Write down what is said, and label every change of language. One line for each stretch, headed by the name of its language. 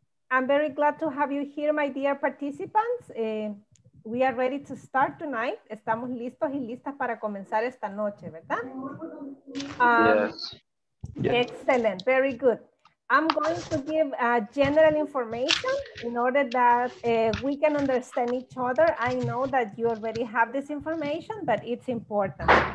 English: I'm very glad to have you here, my dear participants. We are ready to start tonight.
Spanish: Estamos listos y listas para comenzar esta noche, ¿verdad?
English: Yes. Excellent. Very good. I'm going to give general information in order that we can understand each other. I know that you already have this information, but it's important.